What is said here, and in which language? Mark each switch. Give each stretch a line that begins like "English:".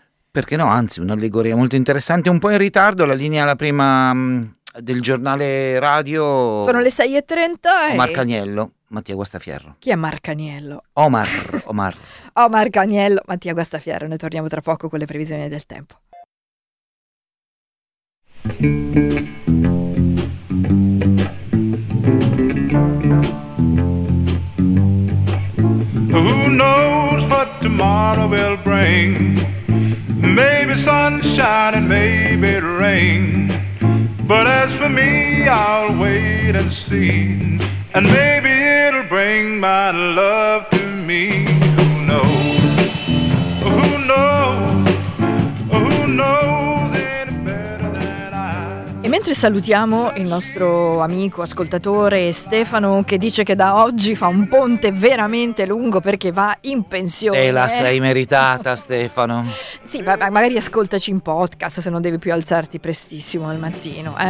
Italian: Perché no? Anzi, un'allegoria molto interessante. Un po' in ritardo la linea alla prima del giornale radio. Sono le 6:30. Omar Caniello, Mattia Guastafierro. Chi è Omar Caniello? Omar. Omar Caniello, Mattia Guastafierro. Noi torniamo tra poco con le previsioni del tempo.
English: Who knows what tomorrow will bring? Maybe sunshine and maybe rain. But as for me, I'll wait and see. And maybe it'll bring my love to me. Who knows? Who knows? Who knows any better than I?
Italian: E mentre salutiamo il nostro amico ascoltatore Stefano, che dice che da oggi fa un ponte veramente lungo perché va in pensione. E la sei meritata, Stefano. Sì, ma magari ascoltaci in podcast se non devi più alzarti prestissimo al mattino.